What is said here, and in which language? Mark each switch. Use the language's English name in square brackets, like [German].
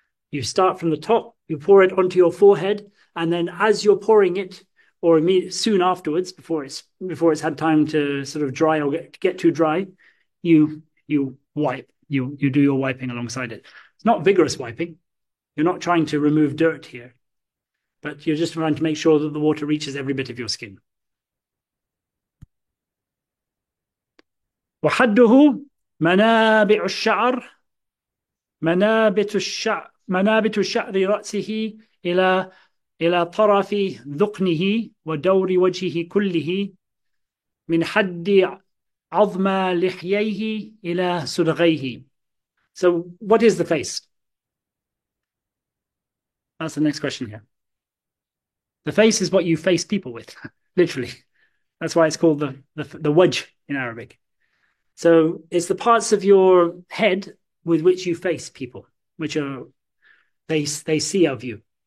[English] You start from the top, you pour it onto your forehead, and then as you're pouring it, or soon afterwards, before it's had time to sort of dry or get too dry, you wipe, you do your wiping alongside it. It's not vigorous wiping. You're not trying to remove dirt here, but you're just trying to make sure that the water reaches every bit of your skin. [Arabic] وَحَدُّهُ مَنَابِعُ الشَّعْرِ مَنَابِتُ الشَّعْرِ منابت شعر رأسه إلى طرف ذقنه ودور وجهه كله من حد عظم لحييه إلى سرغيه. [English] So what is the face? That's the next question here. The face is what you face people with, literally. That's why it's called the wajh in Arabic. So it's the parts of your head with which you face people, which are they see of you.